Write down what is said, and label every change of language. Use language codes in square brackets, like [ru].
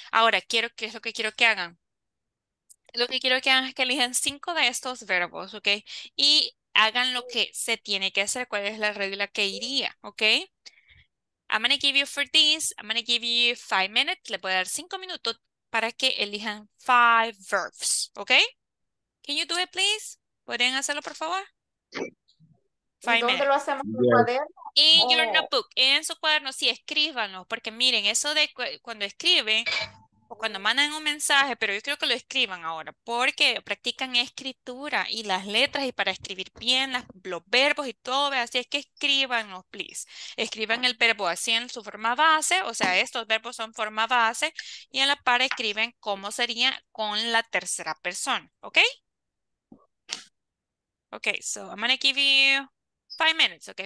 [es] Ahora, quiero, ¿qué es lo que quiero que hagan? Lo que quiero que hagan es que elijan 5 de estos verbos, ok. Y hagan lo que se tiene que hacer, cuál es la regla que iría, ok. [en] I'm going to give you for this, I'm going to give you 5 minutes. [es] Le voy a dar 5 minutos para que elijan 5 verbs, ok. [en] Can you do it, please? [es] ¿Pueden hacerlo, por favor? ¿Dónde lo hacemos? [en] Yes. In your notebook, [es] en su cuaderno, sí, escríbanlo, porque miren, eso de cuando escriben o cuando mandan un mensaje, pero yo creo que lo escriban ahora, porque practican escritura y las letras y para escribir bien los verbos y todo, ¿ve? Así es que escríbanlo, please. Escriban el verbo así en su forma base, o sea, estos verbos son forma base, y en la par escriben cómo sería con la tercera persona, ¿ok? [en] Ok, so I'm going to give you 5 minutes, ok.